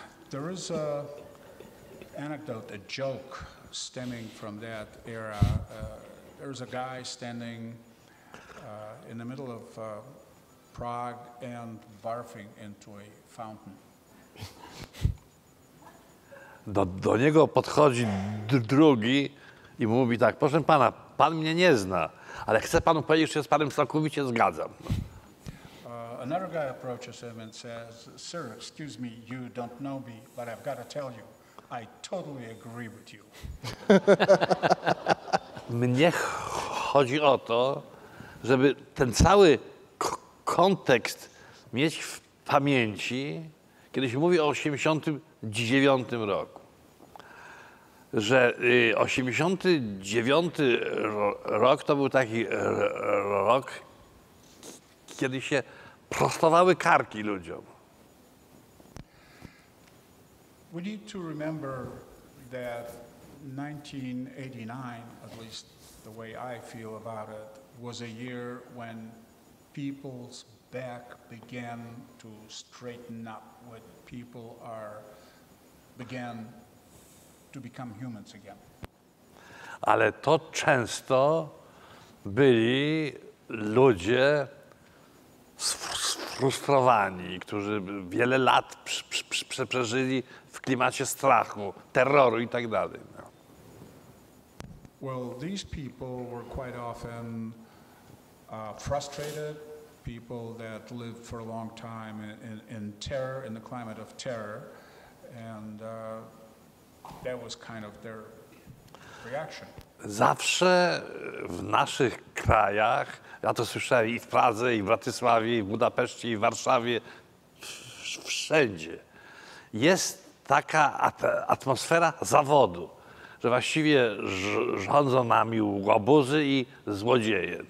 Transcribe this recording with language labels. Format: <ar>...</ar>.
<en>There is a anecdote, a joke stemming from that era. There was a guy standing in the middle of Prague and barfing into a fountain.</en> <pl>Do niego podchodzi drugi i mówi tak, proszę pana, pan mnie nie zna, ale chcę panu powiedzieć, że się z panem całkowicie zgadzam.</pl> <en>Another guy approaches him and says, sir, excuse me, you don't know me, but I've got to tell you, I totally agree with you.</en> <pl>Mnie chodzi o to, żeby ten cały kontekst mieć w pamięci, kiedy się mówi o 89 roku. Że 89 rok to był taki rok, kiedy się prostowały karki ludziom.</pl> <en>We need to remember that 1989, at least the way I feel about it, was a year when people's back began to straighten up, when people began to become humans again.</en> <pl>Ale to często byli ludzie sfrustrowani, którzy wiele lat przeżyli w klimacie strachu, terroru i tak dalej.</pl> <en>Well, these people were quite often frustrated, people that lived for a long time in terror, in the climate of terror, and that was kind of their reaction.</en> <pl>Zawsze w naszych krajach, ja to słyszałem i w Pradze, i w Bratysławie, i w Budapeszcie, i w Warszawie, wszędzie, jest taka atmosfera zawodu, że właściwie rządzą nami łobuzy i złodzieje.</pl>